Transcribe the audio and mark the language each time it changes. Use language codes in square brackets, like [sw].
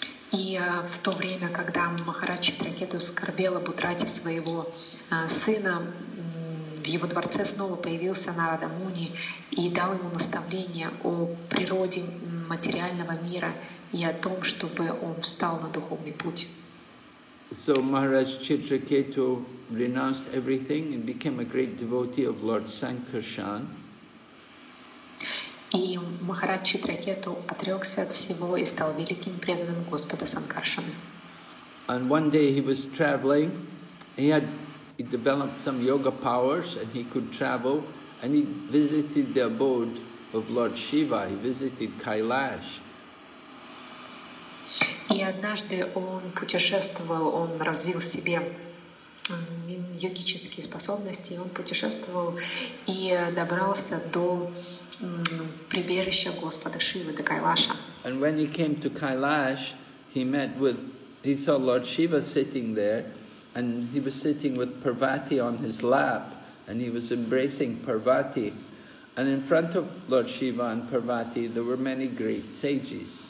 [ru] И в то время, когда Махарадж Читракету скорбел об утрате своего сына, в его дворце снова появился Нарада Муни и дал ему наставление о природе материального мира и о том, чтобы он встал на духовный путь. [en] So Maharaj Chitraketu renounced everything and became a great devotee of Lord Sankarshan. [ru] И Махарадж Читракету отрекся от всего и стал великим преданным Господа Санкаршана. [en] And one day he was traveling, He developed some yoga powers and he could travel and he visited the abode of Lord Shiva, he visited Kailash. [ru] И однажды он путешествовал, он развил в себе йогические способности, он путешествовал и добрался до прибежища Господа Шивы, до Кайлаша. [en] And when he came to Kailash, he saw Lord Shiva sitting there. And he was sitting with Parvati on his lap, and he was embracing Parvati. And in front of Lord Shiva and Parvati, there were many great sages.